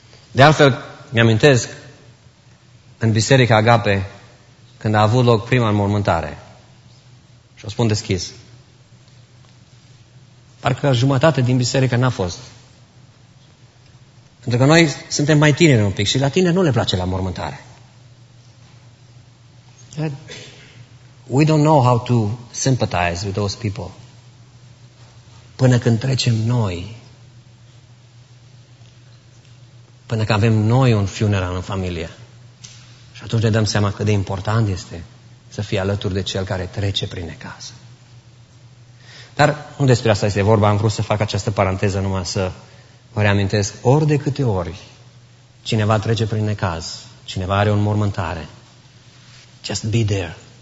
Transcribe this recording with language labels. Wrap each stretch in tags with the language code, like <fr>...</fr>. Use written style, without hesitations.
<ro>De altfel, mi-amintesc, în Biserica Agape, când a avut loc prima înmormântare, și o spun deschis, parcă jumătate din biserică n-a fost. Pentru că noi suntem mai tineri un pic și la tine nu le place la mormântare.</ro> <en>We don't know how to sympathize with those people.</en> <ro>Până când trecem noi, până când avem noi un funeral în familie, și atunci ne dăm seama cât de important este să fii alături de cel care trece prin necaz. Dar nu despre asta este vorba, am vrut să fac această paranteză numai să vă reamintesc, ori de câte ori cineva trece prin necaz, cineva are o înmormântare,</ro> <en>just be there.</en>